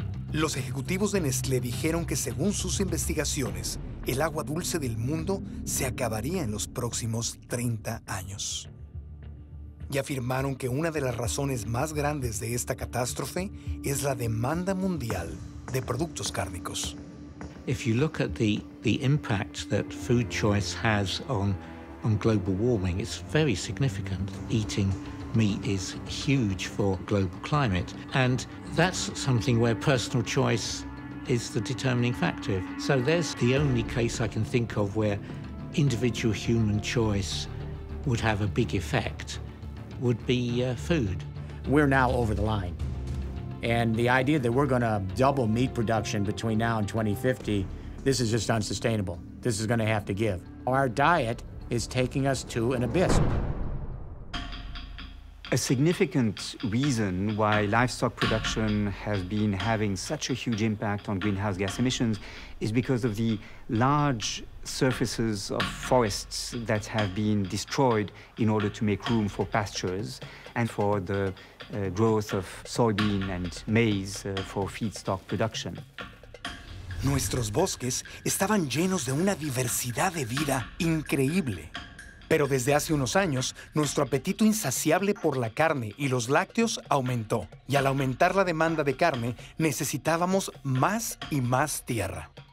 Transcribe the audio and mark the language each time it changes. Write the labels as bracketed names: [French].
[Spanish] Los ejecutivos de Nestlé dijeron que, según sus investigaciones, el agua dulce del mundo se acabaría en los próximos 30 años. Y afirmaron que una de las razones más grandes de esta catástrofe es la demanda mundial de productos cárnicos. [English] If you look at the impact that food choice has on global warming, it's very significant. Eating meat is huge for global climate, and that's something where personal choice is the determining factor. So there's the only case I can think of where individual human choice would have a big effect, would be food. We're now over the line. And the idea that we're gonna double meat production between now and 2050, this is just unsustainable. This is gonna have to give. Our diet is taking us to an abyss. A significant reason why livestock production has been having such a huge impact on greenhouse gas emissions is because of the large surfaces of forests that have been destroyed in order to make room for pastures and for the growth of soybean and maize for feedstock production. [Spanish] Nuestros bosques estaban llenos de una diversidad de vida increíble. Pero desde hace unos años, nuestro apetito insaciable por la carne y los lácteos aumentó. Y al aumentar la demanda de carne, necesitábamos más y más tierra.